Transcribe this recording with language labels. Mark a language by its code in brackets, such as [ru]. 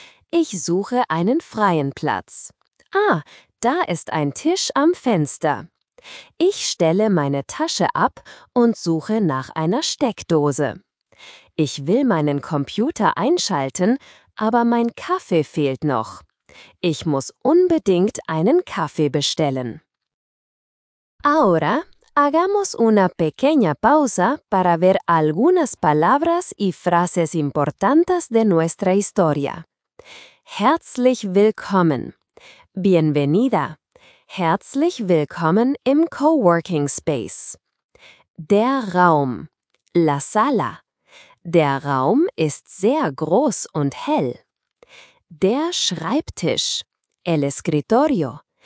[de] Ich suche einen freien Platz. Ah, da ist ein Tisch am Fenster. Ich stelle meine Tasche ab und suche nach einer Steckdose. Ich will meinen Computer einschalten, aber mein Kaffee fehlt noch. Ich muss unbedingt einen Kaffee bestellen. [es] Ahora, hagamos una pequeña pausa para ver algunas palabras y frases importantes de nuestra historia. [de] Herzlich willkommen. [es] Bienvenida. [de] Herzlich willkommen im Coworking Space. Der Raum. [es] La sala. [de] Der Raum ist sehr groß und hell. Der Schreibtisch. [es] El escritorio.